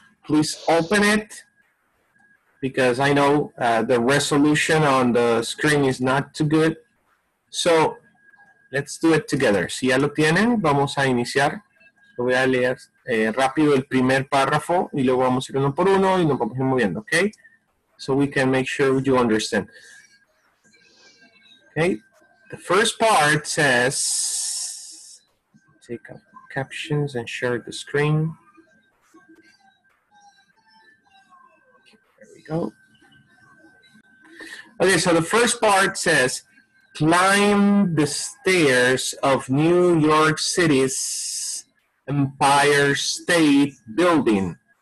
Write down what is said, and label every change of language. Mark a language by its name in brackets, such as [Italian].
[English] Please open it because I know the resolution on the screen is not too good. So let's do it together. [Spanish] Si ya lo tienen, vamos a iniciar. Lo voy a leer rápido el primer párrafo y luego vamos a ir uno por uno y nos vamos a ir moviendo, okay? [English] So we can make sure you understand. Okay, the first part says, take up captions and share the screen. There we go. Okay, so the first part says, climb the stairs of New York City's Empire State Building.